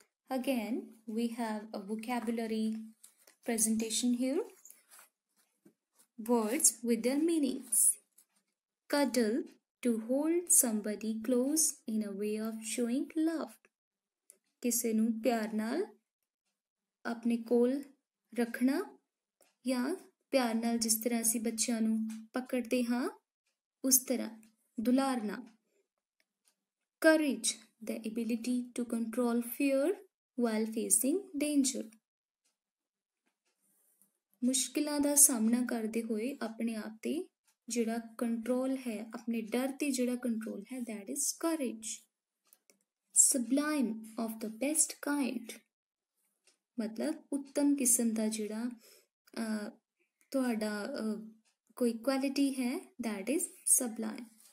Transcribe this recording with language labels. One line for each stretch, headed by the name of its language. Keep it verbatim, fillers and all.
English: Again, we have a vocabulary presentation here. Words with their meanings. Cuddle, to hold somebody close in a way of showing love.
Punjabi: ਕਿਸੇ ਨੂੰ ਪਿਆਰ ਨਾਲ ਆਪਣੇ ਕੋਲ ਰੱਖਣਾ ਜਾਂ ਪਿਆਰ ਨਾਲ ਜਿਸ ਤਰ੍ਹਾਂ ਅਸੀਂ ਬੱਚਿਆਂ ਨੂੰ ਪਕੜਦੇ ਹਾਂ ਉਸ ਤਰ੍ਹਾਂ ਦੁਲਾਰਨਾ.
English: Courage, the ability to control fear while facing danger.
Punjabi: ਮੁਸ਼ਕਿਲਾਂ ਦਾ ਸਾਹਮਣਾ ਕਰਦੇ ਹੋਏ ਆਪਣੇ ਆਪ ਤੇ ਜਿਹੜਾ ਕੰਟਰੋਲ ਹੈ, ਆਪਣੇ ਡਰ ਤੇ ਜਿਹੜਾ ਕੰਟਰੋਲ ਹੈ,
English: that is courage. Sublime, of the best kind,
Punjabi: ਮਤਲਬ ਉੱਤਮ ਕਿਸਮ ਦਾ ਜਿਹੜਾ ਅਹ, ਤੁਹਾਡਾ ਅਹ, ਕੋਈ ਕੁਆਲਿਟੀ ਹੈ,
English: that is sublime.